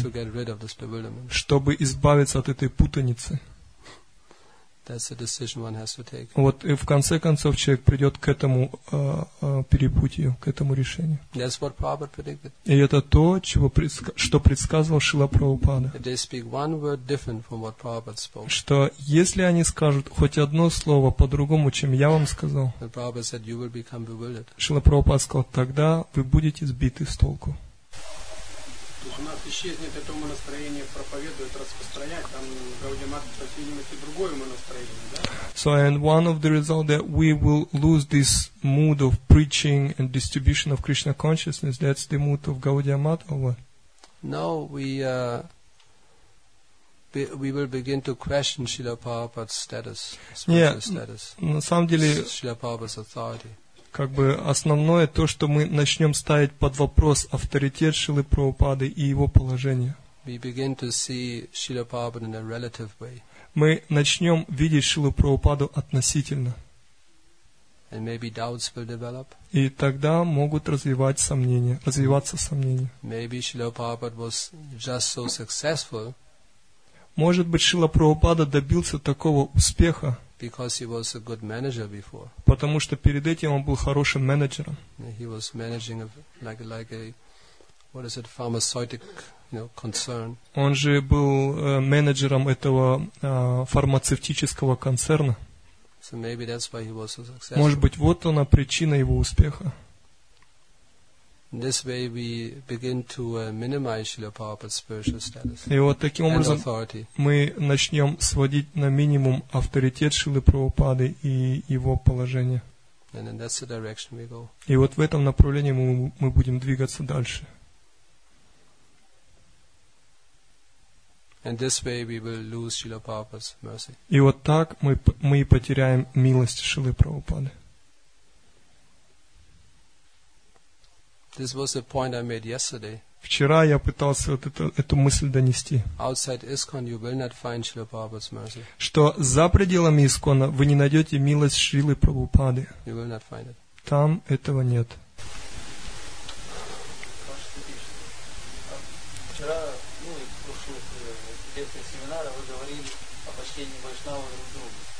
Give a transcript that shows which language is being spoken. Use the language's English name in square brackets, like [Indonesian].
[English] to get rid of this bewilderment. [Russian] Чтобы избавиться от этой путаницы. [English] That's the decision one has to take. [Russian] Вот и в конце концов человек придет к этому перепутью, к этому решению. [English] That's what Prabhupada predicted. [Russian] И это то, чего что предсказывал Шрила Прабхупада. [English] They speak one word different from what Prabhupada spoke. [Russian] Что если они скажут хоть одно слово по-другому, чем я вам сказал, [English] then Prabhupada said, you will become bewildered. [Russian] Шрила Прабхупада сказал, тогда вы будете сбиты с толку. У нас исчезнет это умонастроение проповедует, распространять, там Гаудиамата посвятимости другое умонастроение, да? [English] So and one of the results that we will lose this mood of preaching and distribution of Krishna consciousness, that's the mood of Gaudiamata, or what? No, we will begin to question Srila Prabhupada's status, [Russian] на самом деле, [English] Srila Prabhupada's authority. [Russian] Как бы основное то, что мы начнем ставить под вопрос авторитет Шрилы Прабхупады и его положение. [English] We begin to see Srila Prabhupada in a relative way. [Russian] Мы начнем видеть Шрилу Прабхупаду относительно. [English] And maybe doubts will develop. [Russian] И тогда могут развиваться сомнения. [English] Maybe Srila Prabhupada was just so successful. [Russian] Может быть, Шрила Прабхупада добился такого успеха, [English] because he was a good manager before. [Russian] Потому что перед этим он был хорошим менеджером. [English] He was managing like a what is it, pharmaceutical, you know, concern. [Russian] Он же был менеджером этого фармацевтического концерна. [English] So maybe that's why he was so successful. [Russian] Может быть, вот она причина его успеха. [English] In this way we begin to minimize Srila Prabhupada's spiritual status. [Russian] И вот таким образом мы начнем сводить на минимум авторитет Шрилы Прабхупады и его положение. [English] And then that's the direction we go. [Russian] И вот в этом направлении мы будем двигаться дальше. [English] And this way we will lose Srila Prabhupada's mercy. [Russian] И вот так мы потеряем милость Шрилы Прабхупады. [English] This was the point I made yesterday. [Russian] Вчера я пытался вот эту мысль донести. [English] Outside ISKCON you will not find Srila Prabhupada's mercy. [Russian] Что за пределами ИСКОНа вы не найдете милость Шрилы Прабхупады. [English] You will not find it. [Russian] Там этого нет. Вчера, ну и в прошлых семинарах вы говорили о почтении вайшнава друг к другу.